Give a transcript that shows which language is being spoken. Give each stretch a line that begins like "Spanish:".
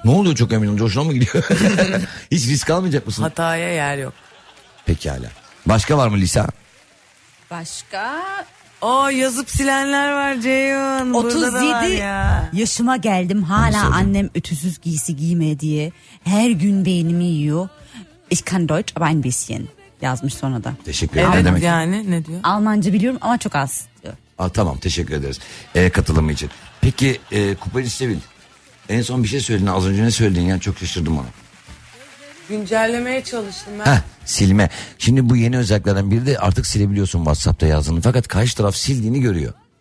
Turkish: Ne oluyor çok emin olunca, hoşuna mı gidiyor? Hiç risk almayacak mısın? Hataya yer yok. Pekala. Başka var mı Lisa? Başka? Aa, yazıp silenler var Ceyhun. 37 yaşıma geldim, hala annem ütüsüz giysi giyme diye her gün beynimi yiyor.
German: Ich kann Deutsch, aber ein bisschen
Turkish: yazmış sonra da. Teşekkür ederim. Evet, demek yani ne diyor? Almanca biliyorum ama çok az diyor. Aa, tamam, teşekkür ederiz katılımı için. Peki Kupacı Sevil, en son bir şey söyledin, az önce ne söyledin ya, çok şaşırdım ona. Güncellemeye çalıştım ben. Heh, silme. Şimdi bu yeni özelliklerden biri de artık silebiliyorsun WhatsApp'ta yazdığını, fakat karşı taraf sildiğini görüyor.